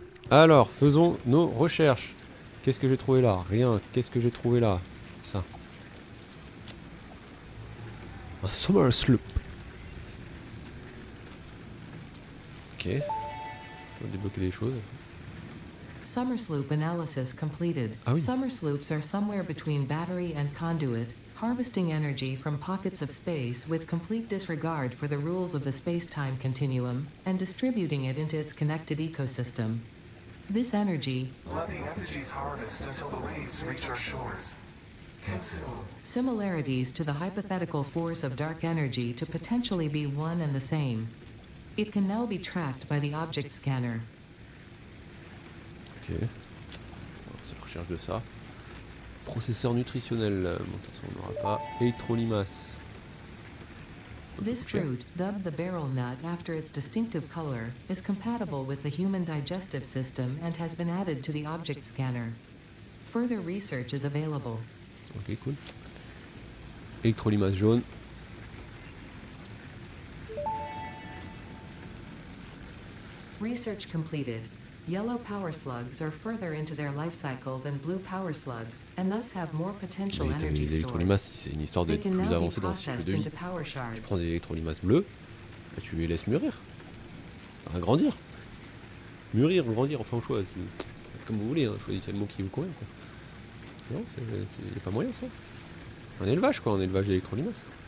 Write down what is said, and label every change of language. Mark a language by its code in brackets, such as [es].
[fr] Alors, faisons nos recherches. Qu'est-ce que j'ai trouvé là? Rien. Qu'est-ce que j'ai trouvé là? Ça. Un Summer Sloop. Ok. On va débloquer des choses. [en] Summer Sloop analysis completed. [fr] Ah oui. [en] Summer Sloops are somewhere between battery and conduit. Harvesting energy from pockets of space with complete disregard for the rules of the space-time continuum and distributing it into its connected ecosystem. This energy... Let the effigies harvest until the waves reach our shores. Consume. Similarities to the hypothetical force of dark energy to potentially be one and the same. It can now be tracked by the object scanner. [fr] Okay. C'est la recherche de ça. Processeur nutritionnel, bon, on n'aura pas. Eitrolimas. [en] This fruit, dubbed the barrel nut after its distinctive color, is compatible with the human digestive system and has been added to the object scanner. Further research is available. [fr] Ok, cool. Eitrolimas jaune. [en] Research completed. Yellow power slugs are further into their life cycle than blue power slugs, and thus have more potential energy stored. [fr] Électrolimaces, c'est une histoire d'être plus avancé dans le cycle de vie. Tu prends des électrolimaces bleus, et tu les laisses mûrir. Enfin, grandir. Mûrir, grandir, enfin au choix. Comme vous voulez, hein. Choisissez le mot qui vous convient. Quoi. Non, y a pas moyen ça. Un élevage quoi, un élevage d'électrolimaces.